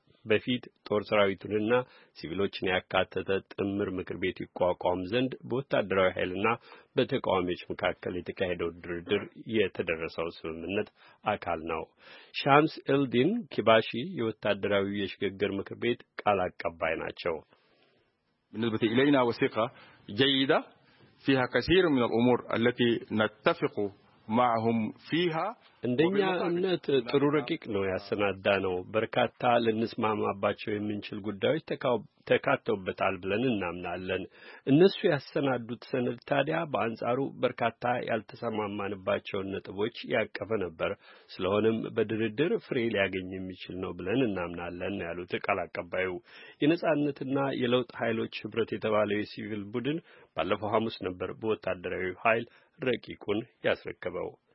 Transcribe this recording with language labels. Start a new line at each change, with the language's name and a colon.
Amharic: በፊት ጦር ሰራዊቱንና ሲቪሎችን ያካተተ ጥምር ምክር ቤት ይቋቋም ዘንድ በወታደራዊ ኃይልና በተቃዋሚዎች መካከል የተካሄደው ድርድር የተደረሰው ስምምነት አካል ነው። ሻምስ ኤልዲን ኪባሺ የወታደራዊ የሽግግር ምክር ቤት ቃል አቀባይ ናቸው።
Arabic: بالنسبة إلينا وثيقة جيدة فيها كثير من الأمور التي نتفق معهم فيها
Amharic: እንደኛ እምነት ጥሩ ረቂቅ ነው ያሰናዳ ነው። በርካታ ልንስማማባቸው የምንችል ጉዳዮች ተካተውበታል ብለን እናምናለን። እነሱ ያሰናዱት ሰነድ ታዲያ በአንጻሩ በርካታ ያልተስማማንባቸውን ነጥቦች ያቀፈ ነበር። ስለሆነም በድርድር ፍሬ ሊያገኝ የሚችል ነው ብለን እናምናለን ያሉት ቃል አቀባዩ። የነጻነትና የለውጥ ኃይሎች ህብረት የተባለው የሲቪል ቡድን ባለፈው ሐሙስ ነበር በወታደራዊ ኃይል ረቂቁን ያስረከበው።